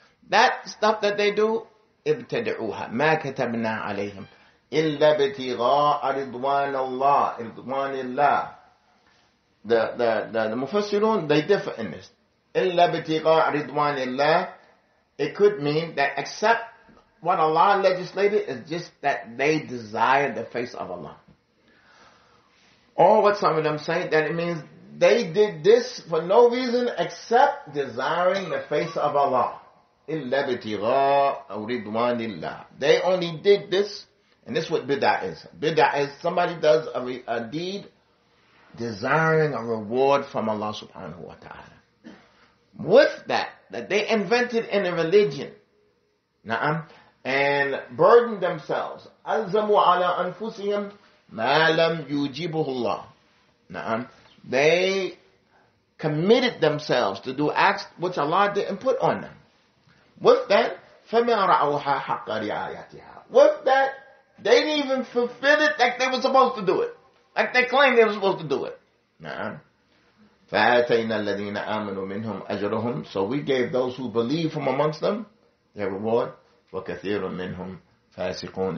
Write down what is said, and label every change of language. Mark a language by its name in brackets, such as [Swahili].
[English] That stuff that they do, [Arabic] ابتدعوها ما كتبنا عليهم إلا ابتغاء رضوان الله رضوان الله. [English] The Mufassirun, they differ in this. [Arabic] إلا ابتغاء رضوان الله, [English] it could mean that except what Allah legislated is just that they desire the face of Allah. Or what some of them say, that it means they did this for no reason except desiring the face of Allah. [Arabic] إِلَّا بِتِغَاءُ رِضْوَانِ اللَّهِ. [English] They only did this, and this is what bid'ah is. Bid'ah is somebody does a deed desiring a reward from Allah subhanahu wa ta'ala. With that they invented in a religion, na'am, and burdened themselves. [Arabic] أَلْزَمُوا عَلَىٰ أَنفُسِهِمْ مَا لَمْ يُجِبُهُ اللَّهِ. Na'am. [English] They committed themselves to do acts which Allah didn't put on them. With that, [Arabic] فَمَا رَأَوْهَا حَقَّ رِعَايَتِهَا. [English] With that, they didn't even fulfill it like they were supposed to do it. Like they claimed they were supposed to do it. [Arabic] فَآتَيْنَا الَّذِينَ آمَنُوا مِنْهُمْ أَجْرُهُمْ. [English] So we gave those who believe from amongst them their reward. [Arabic] وَكَثِيرٌ مِنْهُمْ فَاسِقُونَ.